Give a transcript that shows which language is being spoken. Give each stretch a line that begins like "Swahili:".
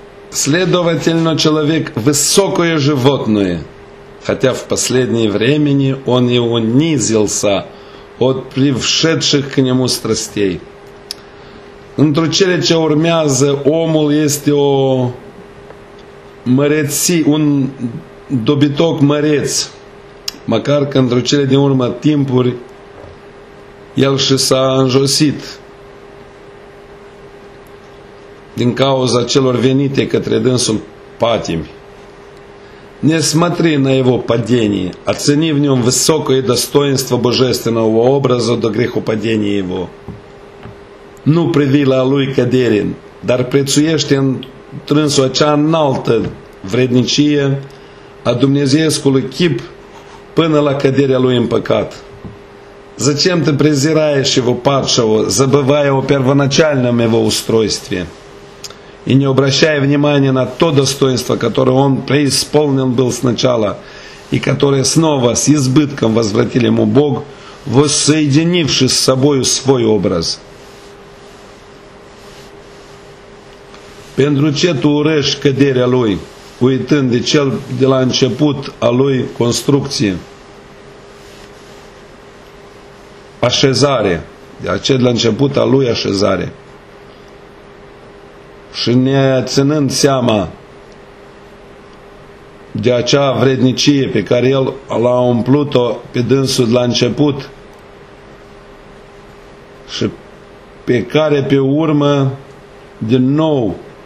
Russian: Следовательно, человек высокое животное, хотя в последнее время он и унизился от пришедших к нему страстей.
Romanian: Într-o cele ce urmează, omul este o măreți, un dobitoc măreț, măcar că într-o cele din urmă timpuri el și s-a înjosit din cauza celor venite către dânsul patimi.
Russian: Не смотри на его падение, оцени в нем высокое достоинство божественного образа до грехопадения его.
Romanian: Nu privi la lui cădere, dar prețuiește într-însu acea înaltă vrednicie a dumnezeiescului chip până la căderea lui în păcat.
Russian: Зачем ты презираешь его падшего, забывая о первоначальном его устройстве и не обращая внимания на то достоинство, которое он преисполнен был сначала и которое снова с избытком возвратил ему Бог, воссоединивший с собою свой образ?
Romanian: Pentru ce tu urăști căderea lui, uitând de cel de la început a lui construcție, așezare, de cel de la început a lui așezare, și ne ținând seama de acea vrednicie pe care el l-a umplut-o pe dânsul de la început și pe care pe urmă din nou